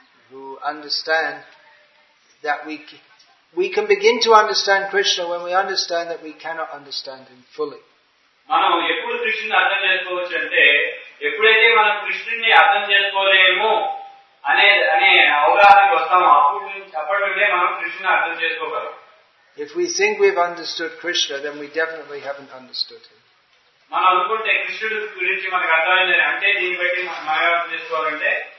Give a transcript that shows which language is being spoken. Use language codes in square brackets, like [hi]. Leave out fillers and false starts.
[en] Who understand that we can begin to understand Krishna when we understand that we cannot understand him fully. [te] మనం ఎప్పుడు కృష్ణుని అర్థం చేసుకోవచ్చు అంటే ఎప్పుడైతే మనం కృష్ణుని అర్థం చేసుకోలేము అనే అవగాహనకి వస్తామో అప్పుడు చెప్పడమే మనం కృష్ణుని అర్థం చేసుకోగలం. [en] If we think we've understood Krishna, then we definitely haven't understood him. [te] మనం అనుకుంటే కృష్ణుడి గురించి మనకు అర్థమైందని అంటే దీన్ని బట్టి మనం అర్థం చేసుకోవాలంటే